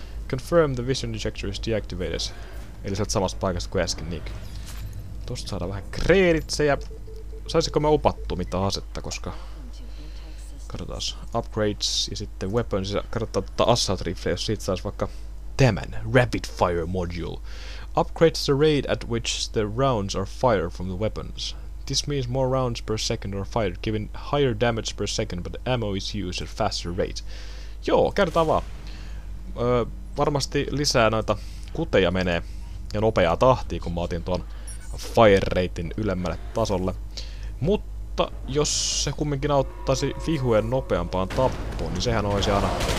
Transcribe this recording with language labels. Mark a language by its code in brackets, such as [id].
[en] Confirm the vision injector is deactivated. [fi] Eli sieltä samasta paikasta kuin äsken, Nick. Tosta saada vähän kreditsejä. Saisiko me upattua mitä asetta, koska... Katsotaas. Upgrades ja sitten weapons. Katsotaan tota assault rifle, jos siitä saisi vaikka tämän. [en] Rapid fire module. Upgrades the rate at which the rounds are fired from the weapons. This means more rounds per second are fired, giving higher damage per second, but ammo is used at faster rate. [fi] Joo, kertaa vaan. Varmasti lisää noita kuteja menee ja nopeaa tahtia, kun mä otin tuon fire ratein ylemmälle tasolle. Mutta jos se kumminkin auttaisi vihujen nopeampaan tappoon, niin sehän olisi aina...